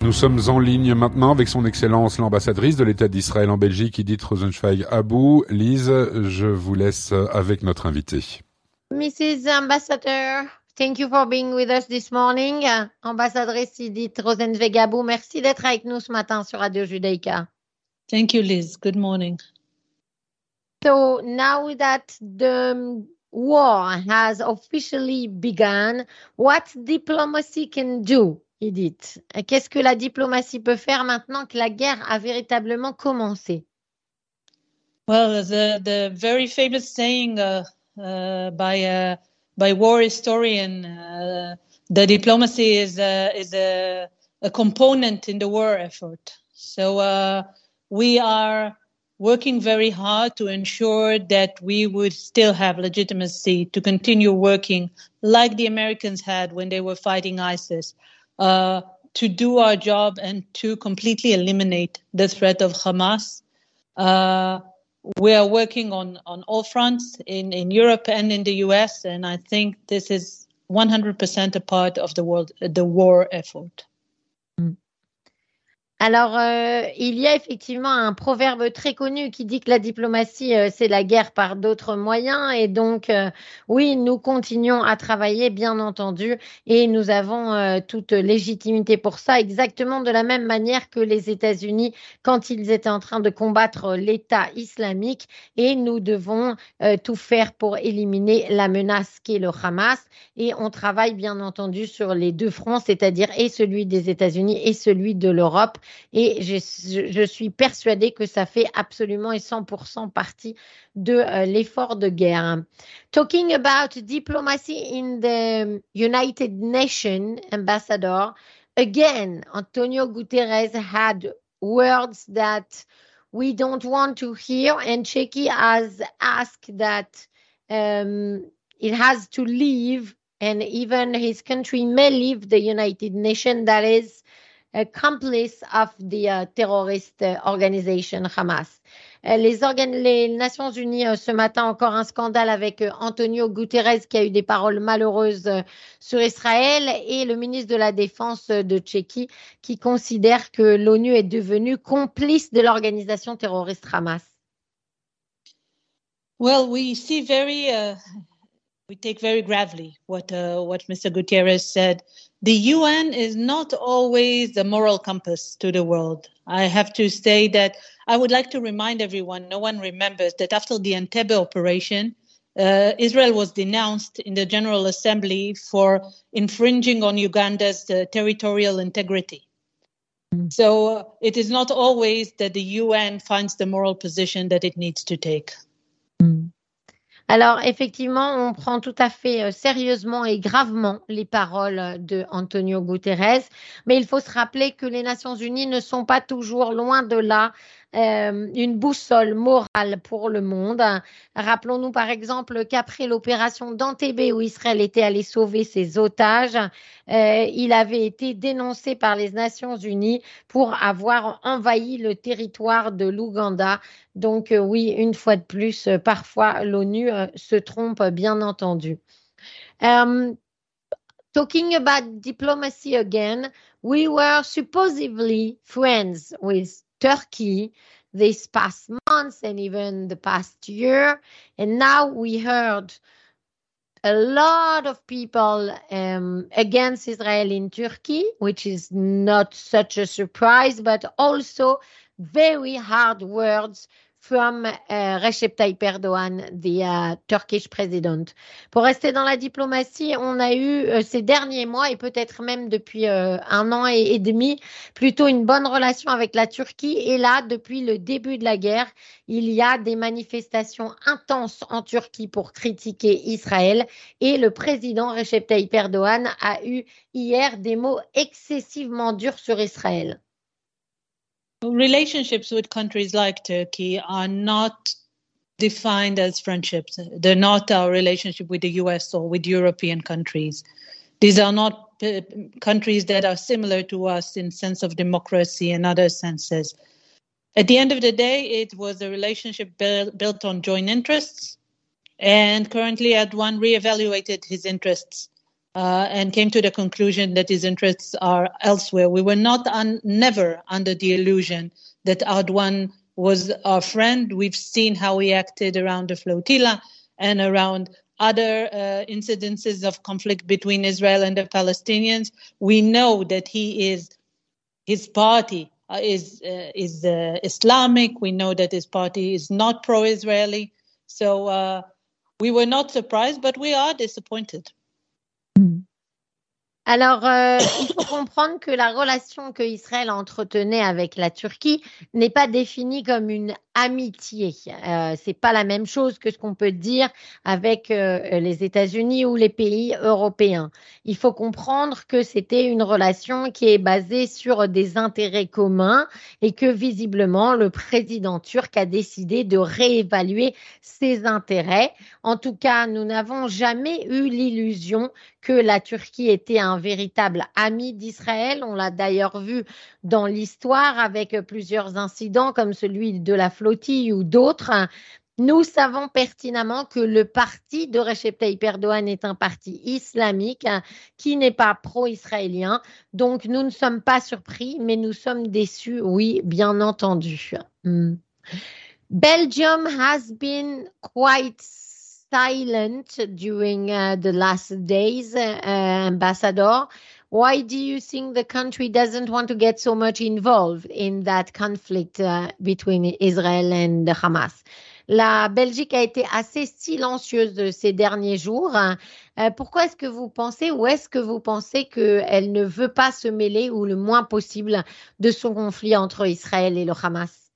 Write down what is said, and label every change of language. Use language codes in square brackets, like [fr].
[fr] Nous sommes en ligne maintenant avec Son Excellence l'ambassadrice de l'État d'Israël en Belgique, Edith Rosenzweig Abou. Lise, je vous laisse avec notre invitée. [en] Mrs. Ambassador, thank you for being with us this morning. [fr] Ambassadrice Edith Rosenzweig Abou, merci d'être avec nous ce matin sur Radio Judaïka. [en] Thank you, Liz. Good morning. So now that the war has officially begun, what diplomacy can do? [fr] Edith, qu'est-ce que la diplomatie peut faire maintenant que la guerre a véritablement commencé? [en] Well, the very famous saying by war historian, the diplomacy is a component in the war effort. So we are working very hard to ensure that we would still have legitimacy to continue working like the Americans had when they were fighting ISIS. To do our job and to completely eliminate the threat of Hamas. We are working on all fronts in Europe and in the US, and I think this is 100% a part of the war effort. [fr] Alors, il y a effectivement un proverbe très connu qui dit que la diplomatie, c'est la guerre par d'autres moyens. Et donc, oui, nous continuons à travailler, bien entendu, et nous avons toute légitimité pour ça, exactement de la même manière que les États-Unis quand ils étaient en train de combattre l'État islamique. Et nous devons tout faire pour éliminer la menace qu'est le Hamas. Et on travaille, bien entendu, sur les deux fronts, c'est-à-dire et celui des États-Unis et celui de l'Europe. Et je suis persuadée que ça fait absolument et 100% partie de l'effort de guerre. [en] Talking about diplomacy in the United Nations, Ambassador, again, Antonio Guterres had words that we don't want to hear, and Tchéky has asked that it has to leave, and even his country may leave the United Nations, that is, accomplice of the terrorist organization Hamas. [fr] Les Nations Unies ce matin, encore un scandale avec Antonio Guterres qui a eu des paroles malheureuses sur Israël et le ministre de la Défense de Tchéquie qui considère que l'ONU est devenue complice de l'organisation terroriste Hamas. [en] Well, we see very we take very gravely what Mr. Guterres said. The UN is not always the moral compass to the world. I have to say that I would like to remind everyone, no one remembers, that after the Entebbe operation, Israel was denounced in the General Assembly for infringing on Uganda's territorial integrity. So it is not always that the UN finds the moral position that it needs to take. [fr] Alors, effectivement, on prend tout à fait sérieusement et gravement les paroles de Antonio Guterres, mais il faut se rappeler que les Nations Unies ne sont pas toujours loin de là une boussole morale pour le monde. Rappelons-nous par exemple qu'après l'opération d'Entebbe où Israël était allé sauver ses otages, il avait été dénoncé par les Nations Unies pour avoir envahi le territoire de l'Ouganda. Donc oui, une fois de plus, parfois l'ONU se trompe, bien entendu. [en] Talking about diplomacy again, we were supposedly friends with Turkey this past month and even the past year. And now we heard a lot of people against Israel in Turkey, which is not such a surprise, but also very hard words from Recep Tayyip Erdogan, the Turkish president. [fr] Pour rester dans la diplomatie, on a eu ces derniers mois, et peut-être même depuis un an et demi, plutôt une bonne relation avec la Turquie. Et là, depuis le début de la guerre, il y a des manifestations intenses en Turquie pour critiquer Israël. Et le président Recep Tayyip Erdogan a eu hier des mots excessivement durs sur Israël. [en] Relationships with countries like Turkey are not defined as friendships. They're not our relationship with the US or with European countries. These are not countries that are similar to us in sense of democracy and other senses. At the end of the day, it was a relationship built on joint interests. And currently, Erdogan reevaluated his interests And came to the conclusion that his interests are elsewhere. We were not never under the illusion that Erdogan was our friend. We've seen how he acted around the flotilla and around other incidences of conflict between Israel and the Palestinians. We know that his party is Islamic. We know that his party is not pro-Israeli. So we were not surprised, but we are disappointed. [fr] Alors, il faut comprendre que la relation que Israël entretenait avec la Turquie n'est pas définie comme une amitié. C'est pas la même chose que ce qu'on peut dire avec les États-Unis ou les pays européens. Il faut comprendre que c'était une relation qui est basée sur des intérêts communs et que visiblement le président turc a décidé de réévaluer ses intérêts. En tout cas, nous n'avons jamais eu l'illusion que la Turquie était un véritable ami d'Israël. On l'a d'ailleurs vu dans l'histoire avec plusieurs incidents comme celui de la flottille ou d'autres. Nous savons pertinemment que le parti de Recep Tayyip Erdogan est un parti islamique qui n'est pas pro-israélien. Donc, nous ne sommes pas surpris, mais nous sommes déçus, oui, bien entendu. [en] Belgium has been quite silent during the last days, Ambassador. Why do you think the country doesn't want to get so much involved in that conflict between Israel and Hamas? [fr] La Belgique a été assez silencieuse ces derniers jours. Pourquoi est-ce que vous pensez ou est-ce que vous pensez qu'elle ne veut pas se mêler ou le moins possible de son conflit entre Israël et le Hamas?